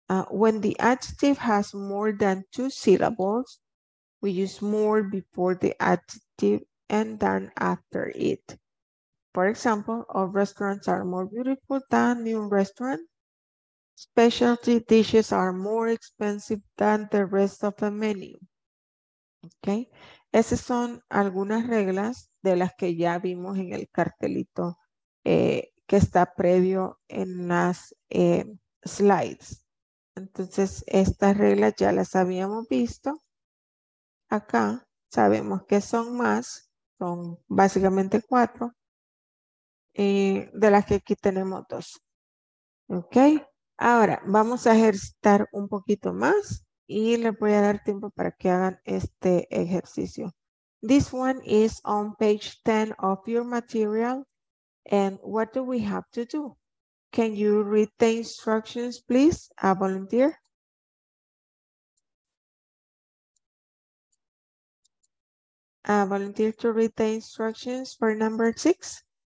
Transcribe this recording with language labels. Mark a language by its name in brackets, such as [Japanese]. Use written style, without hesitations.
[English] When the adjective has more than two syllables, we use more before the adjective and then after it. For example, all restaurants are more beautiful than new restaurant. Specialty dishes are more expensive than the rest of the menu. [Spanish] Okay, esas son algunas reglas de las que ya vimos en el cartelito que está previo en las slides. Entonces, estas reglas ya las habíamos visto. Acá sabemos que son más, son básicamente cuatro, de las que aquí tenemos dos. Ok, ahora vamos a ejercitar un poquito más y les voy a dar tiempo para que hagan este ejercicio. [English] This one is on page 10 of your material. And what do we have to do? Can you read the instructions, please? A volunteer. A volunteer to read the instructions for number 6.